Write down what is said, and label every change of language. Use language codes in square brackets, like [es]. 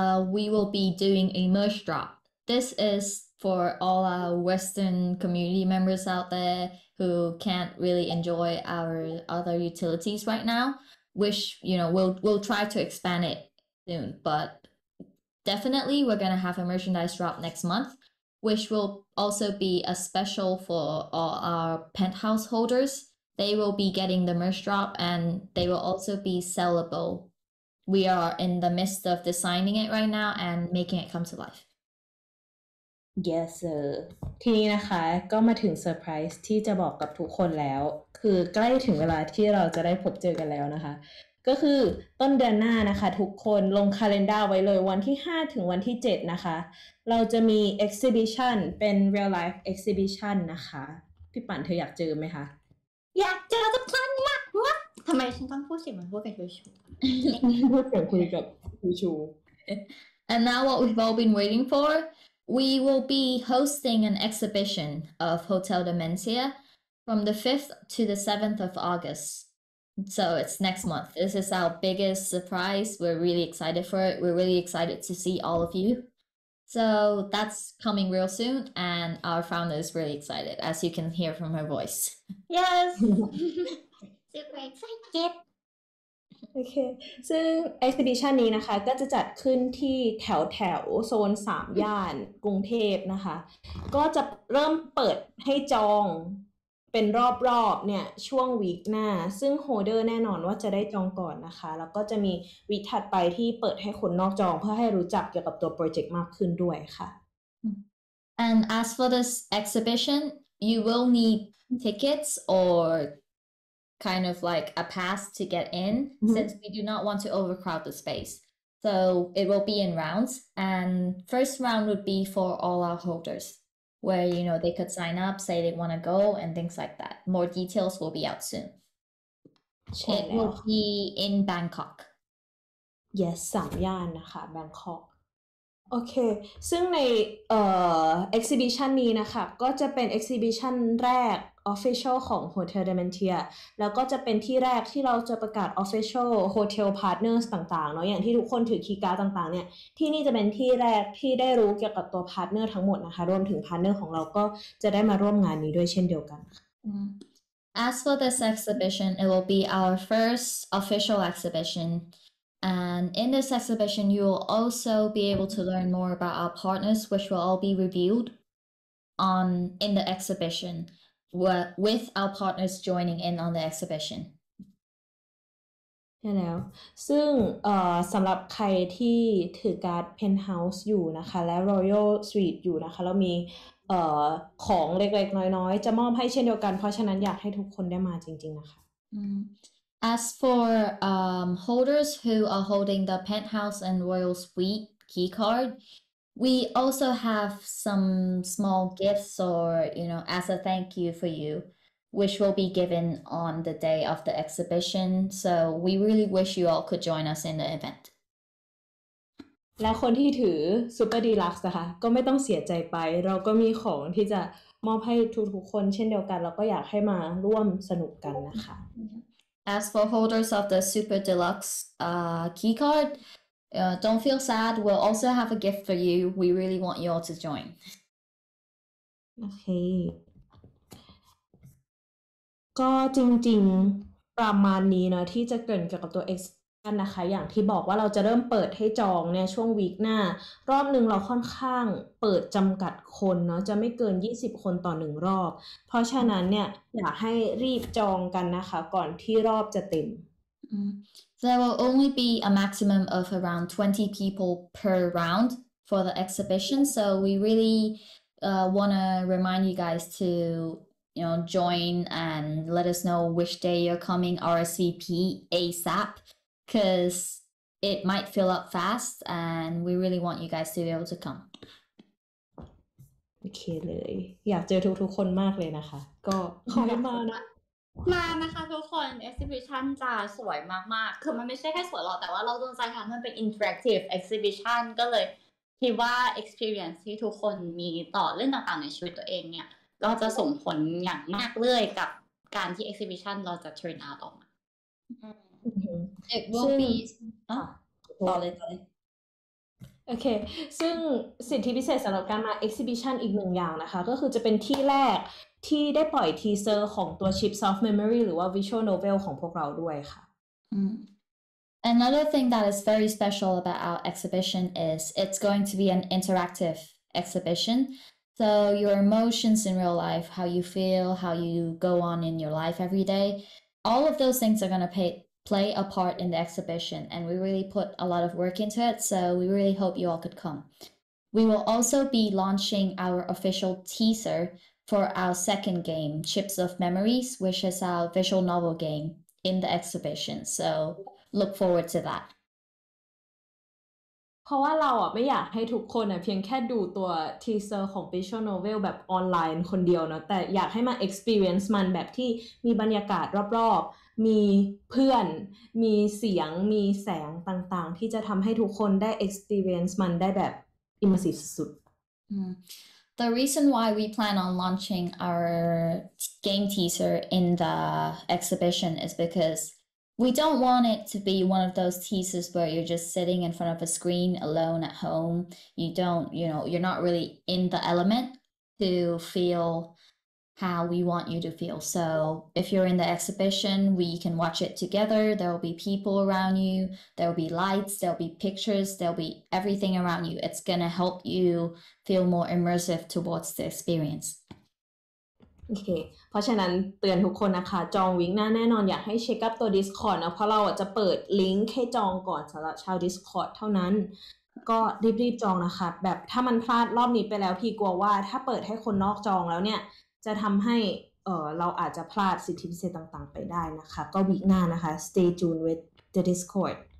[en] we will be doing a merch drop. This is for all our Western community members out there who can't really enjoy our other utilities right now, which, you know, we'll try to expand it soon, but definitely we're going to have a merchandise drop next month, which will also be a special for all our penthouse holders. They will be getting the merch drop and they will also be sellable. We are in the midst of designing it right now and making it come to life. Yes, sir. [th] ทีนี้นะคะก็มาถึงเซอร์ไพรส์ที่จะบอกกับทุกคนแล้วคือใกล้ถึงเวลาที่เราจะได้พบเจอกันแล้วนะคะก็คือต้นเดือนหน้านะคะทุกคนลงคาล endar ไว้เลยวันที่5ถึงวันที่7นะคะเราจะมี exhibition เป็น real life exhibition นะคะพี่ปั่นเธออยากเจอไหมคะ อยากเจอจะพลันมากวะทำไมฉันต้องพูดเสียงมันพูดกับชูชู พูดเสียงคุยกับชูชู [en] and now what we've all been waiting for we will be hosting an exhibition of Hotel Dementia from the 5th to the 7th of AugustSo it's next month. This is our biggest surprise. We're really excited for it. We're really excited to see all of you. So that's coming real soon. And our founder is really excited, as you can hear from her voice. Yes! Super excited! Okay. [th] So exhibition นี้นะคะก็จะจัดขึ้นที่แถวแถวโซน3ย่านกรุงเทพนะคะก็จะเริ่มเปิดให้จองเป็นรอบๆเนี่ยช่วงวีคหน้าซึ่งโฮเดอร์แน่นอนว่าจะได้จองก่อนนะคะแล้วก็จะมีวีคถัดไปที่เปิดให้คนนอกจองเพื่อให้รู้จักเกี่ยวกับตัวโปรเจกต์มากขึ้นด้วยค่ะ [en] And as for this exhibition you will need tickets or kind of like a pass to get in since we do not want to overcrowd the space so it will be in rounds and first round would be for all our holdersWhere, you know, they could sign up, say they want to go, and things like that. More details will be out soon. It will be in Bangkok. [th] Yes, 3 ย่านนะคะ Bangkok. Okay, ซึ่งใน exhibition นี้นะคะก็จะเป็น exhibition แรก official ของ Hotel Dementia. แล้วก็จะเป็นที่แรกที่เราจะประกาศ official hotel partners ต่างๆเนาะอย่างที่ทุกคนถือคีย์การ์ดต่างๆเนี่ยที่นี่จะเป็นที่แรกที่ได้รู้เกี่ยวกับตัว partner ทั้งหมดนะคะรวมถึง partner ของเราก็จะได้มาร่วมงานนี้ด้วยเช่นเดียวกัน [en] As for this exhibition, it will be our first official exhibition. And in this exhibition, you will also be able to learn more about our partners, which will all be revealed in the exhibition. With our partners joining in on the exhibition. Yeah, now. [th] ซึ่งสำหรับใครที่ถือการ์ด Penthouse อยู่นะคะและ Royal Suite อยู่นะคะแล้วมีของเล็กๆน้อยๆจะมอบให้เช่นเดียวกันเพราะฉะนั้นอยากให้ทุกคนได้มาจริงๆนะคะ [en] As for holders who are holding the Penthouse and Royal Suite key card,We also have some small gifts or, you know, as a thank you for you, which will be given on the day of the exhibition. So we really wish you all could join us in the event. [th] และคนที่ถือ Super Deluxe นะคะก็ไม่ต้องเสียใจไปเราก็มีของที่จะมอบให้ทุกๆคนเช่นเดียวกันแล้วก็อยากให้มาร่วมสนุกกันนะคะ [en] As for holders of the Super Deluxe key card,don't feel sad. We'll also have a gift for you. We really want you all to join. Okay. [th] ก็จริงๆประมาณนี้นะที่จะเกริ่นเกี่ยวกับตัว exhibition นะคะอย่างที่บอกว่าเราจะเริ่มเปิดให้จองเนี่ยช่วงวีคหน้ารอบหนึ่งเราค่อนข้างเปิดจำกัดคนเนาะจะไม่เกิน20คนต่อ1รอบเพราะฉะนั้นเนี่ยอยากให้รีบจองกันนะคะก่อนที่รอบจะเต็ม [en] There will only be a maximum of around 20 people per round for the exhibition. So we really want to remind you guys to, you know, join and let us know which day you're coming RSVP ASAP because it might fill up fast and we really want you guys to be able to come. [th] Okay, เลยอยากเจอทุกๆคนมากเลยนะคะก็ขอให้มานะ มานะคะทุกคน exhibition จะสวยมากๆคือมันไม่ใช่แค่สวยหรอกแต่ว่าเราต้องใจค่ะมันเป็น interactive exhibition ก็เลยคิดว่า experience ที่ทุกคนมีต่อเรื่องต่างๆในชีวิตตัวเองเนี่ยก็จะส่งผลอย่างมากเลยกับการที่ exhibition เราจะ turn out ออกมา [en] it will be [th] ต่อเลย โอเคซึ่งสิทธิพิเศษสำหรับการมา exhibition อีกหนึ่งอย่างนะคะก็คือจะเป็นที่แรกที่ได้ปล่อยทีเซอร์ของตัว chip soft memory หรือว่า visual novel ของพวกเราด้วยค่ะ [en] Another thing that is very special about our exhibition is it's going to be an interactive exhibition. So your emotions in real life, how you feel, how you go on in your life every day, all of those things are going to play a part in the exhibition, and we really put a lot of work into it, so we really hope you all could come. We will also be launching our official teaser for our second game, Chips of Memories, which is our visual novel game in the exhibition, so look forward to that. เพราะว่าเราอ่ะไม่อยากให้ทุกคนอ่ะเพียงแค่ดูตัวทีเซอร์ของ visual novel แบบออนไลน์คนเดียวเนาะแต่อยากให้มา experience มันแบบที่มีบรรยากาศรอบๆมีเพื่อนมีเสียงมีแสงต่างๆที่จะทำให้ทุกคนได้ experience มันได้แบบ immersive สุด The reason why we plan on launching our game teaser in the exhibition is because we don't want it to be one of those teasers where you're just sitting in front of a screen alone at home. You don't, you know, you're not really in the element to feel... how we want you to feel. So if you're in the exhibition, we can watch it together. There'll be people around you. There'll be lights, there'll be pictures, there'll be everything around you. It's gonna help you feel more immersive towards the experience. [th] Okay. เพราะฉะนั้นเตือนทุกคนนะคะจองวิงหน้าแน่นอนอยากให้เช็คอัพตัว Discord นะเพราะเราจะเปิดลิงก์ให้จองก่อนสำหรับชาว Discord เท่านั้นก็รีบๆจองนะคะแบบถ้ามันพลาดรอบนี้ไปแล้วพี่กลัวว่าถ้าเปิดให้คนนอกจองแล้วเนี่ยจะทำให้เราอาจจะพลาดสิทธิพิเศษต่างๆไปได้นะคะก็วีคหน้านะคะ [en] stay tuned with the Discord